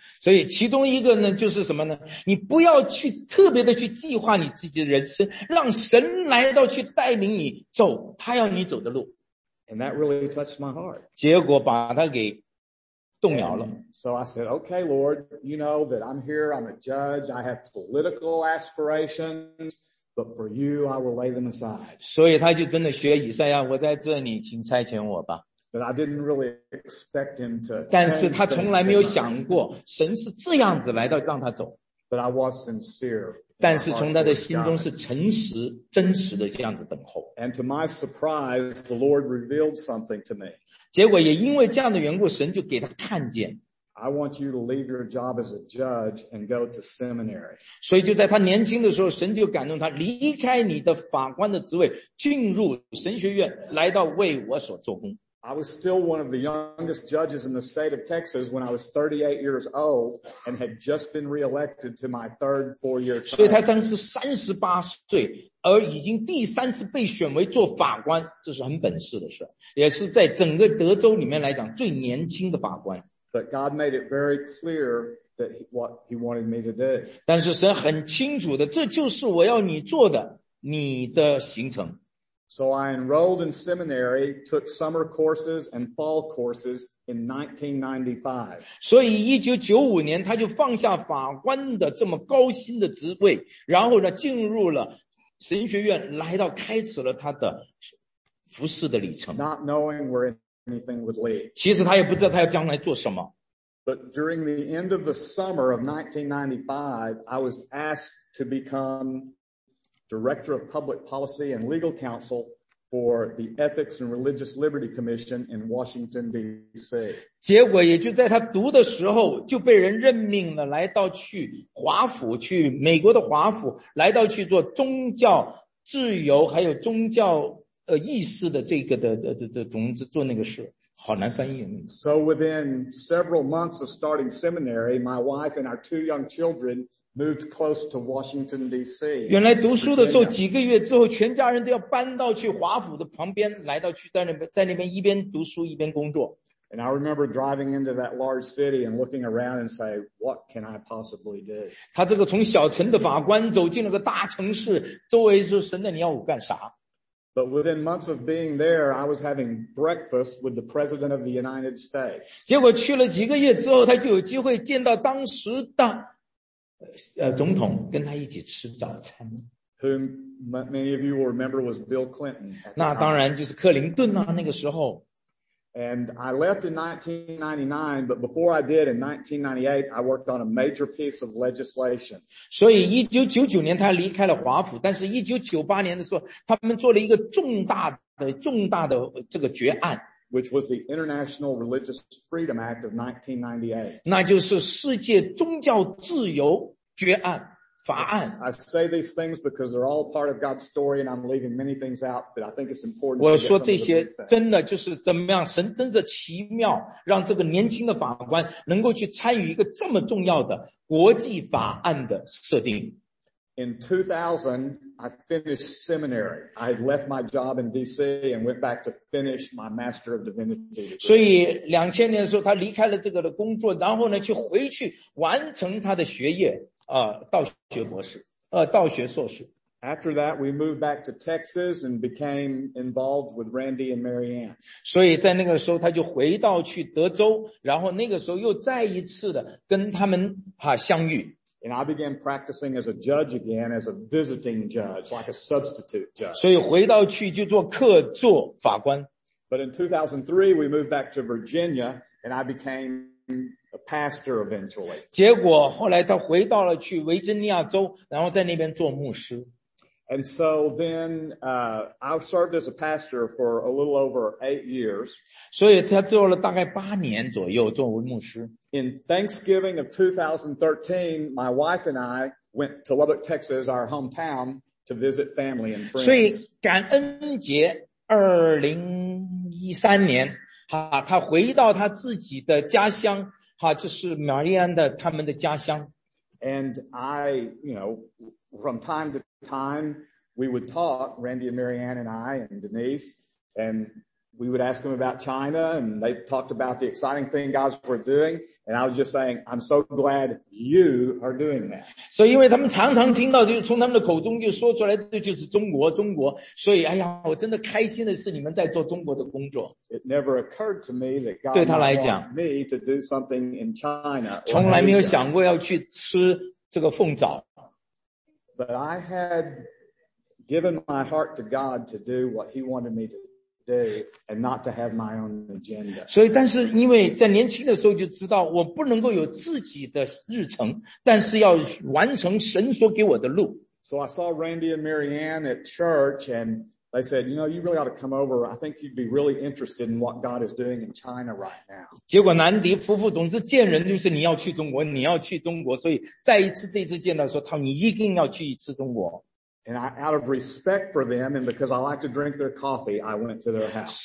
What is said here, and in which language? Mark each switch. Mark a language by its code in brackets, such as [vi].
[zh] 所以其中一个呢就是什么呢，你不要去特别的去计划你自己的人生，让神来到去带领你走他要你走的路。 [en] And that really touched my heart. [zh] 结果把他给动摇了。 [en] And so I said, okay, Lord, you know that I'm here, I'm a judge, I have political aspirations. But for you, I will lay them aside. [zh] 所以他就真的学以赛亚，我在这里，请差遣我吧。 [en] But I didn't really expect him to. [zh] 但是他从来没有想过，神是这样子来到让他走。 [en] But I was sincere. [zh] 但是从他的心中是诚实、真实的这样子等候。 [en] And to my surprise, the Lord revealed something to me. [zh] 结果也因为这样的缘故，神就给他看见。 [en] I want you to leave your job as a judge and go to seminary. [zh] 所以就在他年轻的时候，神就感动他离开你的法官的职位，进入神学院，来到为我所做工。 [en] I was still one of the youngest judges in the state of Texas when I was 38 years old and had just been reelected to my third four-year term. [zh] 所以他当时38岁，而已经第三次被选为做法官，这是很本事的事，也是在整个德州里面来讲最年轻的法官。 [en] But God made it very clear that what he wanted me to do. [zh] 但是神很清楚的，这就是我要你做的，你的行程。 [en] So I enrolled in seminary, took summer courses and fall courses in 1995. [zh] 所以1995年他就放下法官的这么高薪的职位，然后呢进入了神学院，来到开始了他的服事的旅程。 [en] Not knowing where anything would lead. [zh] 其实他也不知道他要将来做什么。 [en] But during the end of the summer of 1995, I was asked to becomeDirector of Public Policy and Legal Counsel for the Ethics and Religious Liberty Commission in Washington, D.C. [zh] 结果也就在他读的时候就被人任命了，来到去华府，去美国的华府，来到去做宗教自由还有宗教意识的这个的同志，做那个事。好难翻译。 [en] So within several months of starting seminary, my wife and our two young childrenmoved close to Washington, D.C. [zh] 原来读书的时候几个月之后全家人都要搬到去华府的旁边，来到去在那边一边读书一边工作。 [en] And I remember driving into that large city and looking around and say, what can I possibly do? [zh] 他这个从小城的法官走进了个大城市，周围是神的，你要我干啥？ [en] But within months of being there, I was having breakfast with the President of the United States. [zh] 结果去了几个月之后他就有机会见到当时的总统，跟他一起吃早餐。 [en] Whom many of you will remember was Bill Clinton. [zh] 那当然就是克林顿啊，那个时候。 [en] And I left in 1999, but before I did in 1998, I worked on a major piece of legislation. [zh] 所以1999年他离开了华府，但是1998年的时候，他们做了一个重大的这个决案。 [en] Which was the International Religious Freedom Act of 1998. [zh] 那就是世界宗教自由决案法案。 [en] I say these things because they're all part of God's story and I'm leaving many things out, but I think it's important. [zh] 我说这些真的就是怎么样，神真的奇妙让这个年轻的法官能够去参与一个这么重要的国际法案的设定。 [en] In 2000, I finished seminary. I left my job in D.C. and went back to finish my Master of Divinity. [zh] 所以2000年的时候他离开了这个的工作，然后呢去回去完成他的学业，道学硕士。 [en] After that, we moved back to Texas and became involved with Randy and Marianne. [zh] 所以在那个时候他就回到去德州，然后那个时候又再一次的跟他们相遇。 [en] And I began practicing as a judge again, as a visiting judge, like a substitute judge. [zh] 所以回到去就做客座法官。 [en] But in 2003, we moved back to Virginia, and I became a pastor eventually. [zh] 结果后来他回到了去维珍尼亚州，然后在那边做牧师。 [en] And so then, I've served as a pastor for a little over 8 years. [zh] 所以他做了大概八年左右作为牧师。 [en] In Thanksgiving of 2013, my wife and I went to Lubbock, Texas, our hometown, to visit family and friends. [zh] 所以感恩节2013年他回到他自己的家乡，就是玛丽安的他们的家乡。 [en] And I, you know, from time to time, we would talk, Randy and Marianne and I and Denise, and we would ask them about China, and they talked about the exciting thing guys were doing, and I was just saying, I'm so glad you are doing that. [zh] So, 因为他们常常听到，就是从他们的口中就说出来，这就是中国，中国。所以，哎呀，我真的开心的是你们在做中国的工作。 [en] It never occurred to me that God [zh] 对他来讲 [en] me to do something in China. [zh] 从来没有想过要去吃这个凤爪。 [en] But I had given my heart to God to do what He wanted me to do and not to have my own agenda. [zh] 所以但是因为在年轻的时候就知道我不能够有自己的日程，但是要完成神所给我的路。 [en] So I saw Randy and Marianne at church and They said, you know, you really ought to come over. I think you'd be really interested in what God is doing in China right now. [zh] 结果南迪夫妇总是见人就是你要去中国，所以再一次这一次见到的时候，他们一定要去一次中国。 [en] And I, out of respect for them and because I like to drink their coffee, I went to their house.